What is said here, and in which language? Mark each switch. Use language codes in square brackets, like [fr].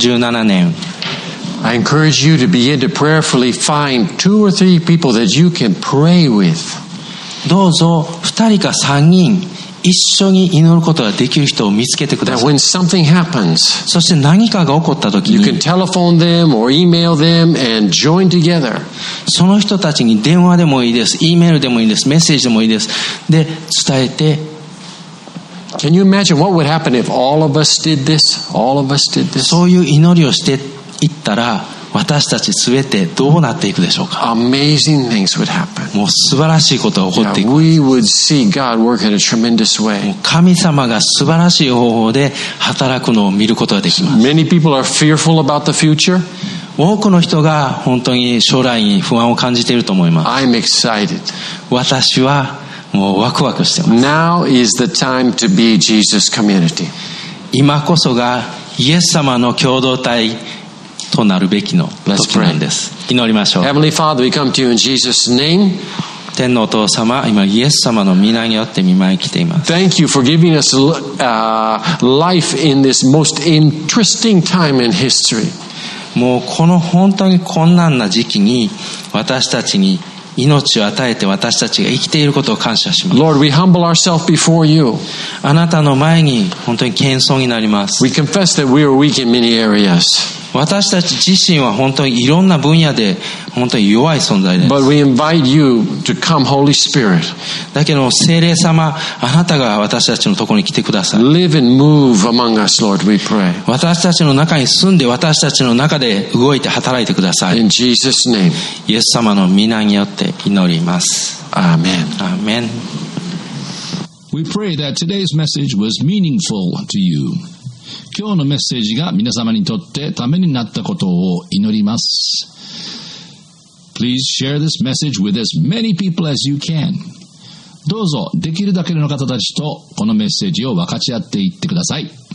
[en] 2017. I encourage you to begin to prayerfully find two or three people that you can pray with. [ja] どうぞ二人か三人一緒に祈ることができる人を見つけてください。 [en] That when something happens, [ja] そして何かが起こった時に、 [en] you can telephone them or email them and join together. [ja] その人たちに電話でもいいです、E メールでもいいです、メッセージでもいいです。で伝えて。 [en] Can you imagine what would happen if all of us did this? All of us did this. [ja] そういう祈りをしていったら、私たち全てどうなっていくでしょうか? [en] Amazing things would happen. [ja] もう素晴らしいことが起こっていく。 [en] Yeah, we would see God work in a tremendous way. [ja] 神様が素晴らしい方法で働くのを見ることができます。 [en] Many people are fearful about the future. [ja] 多くの人が本当に将来に不安を感じていると思います。 [en] I'm excited. [ja] 私はもうワクワクしてます。 [en] Now is the time to be Jesus community. [ja] 今こそがイエス様の共同体となるべきの時なんです。祈りましょう。 [en] Heavenly Father, we come to you in Jesus' name. [ja] 天のお父様、今イエス様の御名によって見舞い来ています。 [en] Thank you for giving us life in this most interesting time in history. [ja] もうこの本当に困難な時期に私たちに命を与えて私たちが生きていることを感謝します。 [en] Lord, we humble ourselves before you. [ja] あなたの前に本当に謙遜になります。 [en] We confess that we are weak in many areas. [ja] 私たち自身は本当にいろんな分野で本当に弱い存在です。 [en] But we invite you to come, Holy Spirit. [ja] だけど聖霊様、あなたが私たちのところに来てください。 [en] Live and move among us, Lord, we pray. [ja] 私たちの中に住んで私たちの中で動いて働いてください。 [en] In Jesus' name. [ja] イエス様の御名によって祈ります。アーメン。アーメン。 [en] We pray that today's message was meaningful to you. [ja] 今日のメッセージが皆様にとってためになったことを祈ります。 [en] Please share this message with as many people as you can. [ja] どうぞできるだけの方たちとこのメッセージを分かち合っていってください。